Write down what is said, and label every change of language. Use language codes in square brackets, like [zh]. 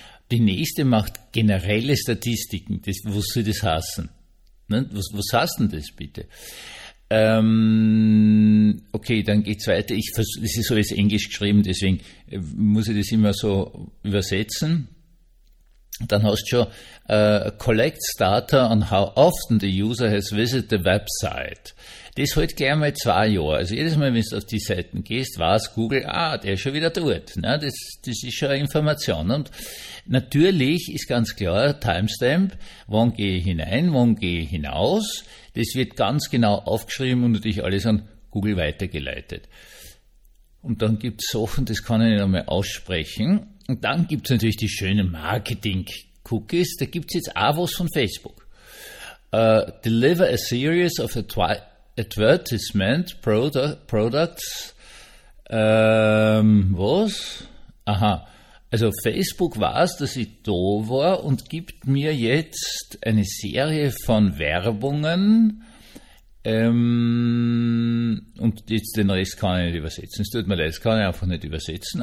[de] Die nächste macht generelle Statistiken. Was soll das heißen? Ne? Was heißt denn das bitte? Okay, dann geht's weiter. Das ist alles Englisch geschrieben, deswegen muss ich das immer so übersetzen. Dann hast du schon [en] Collects Data on how often the user has visited the website. [de] Das hält gleich einmal 2 Jahre. Also jedes Mal, wenn du auf die Seiten gehst, weiß Google, der ist schon wieder dort. Ne? Das ist schon eine Information. Und natürlich ist ganz klar, Timestamp, wann gehe ich hinein, wann gehe ich hinaus. Das wird ganz genau aufgeschrieben und natürlich alles an Google weitergeleitet. Und dann gibt es Sachen, das kann ich nicht einmal aussprechen. Und dann gibt es natürlich die schönen Marketing-Cookies. Da gibt es jetzt auch was von Facebook. [en] Deliver a series of advertisement products. [de] Was? Aha. Also Facebook weiß, dass ich da war und gibt mir jetzt eine Serie von Werbungen. Und jetzt den Rest kann ich nicht übersetzen. Es tut mir leid, das kann ich einfach nicht übersetzen.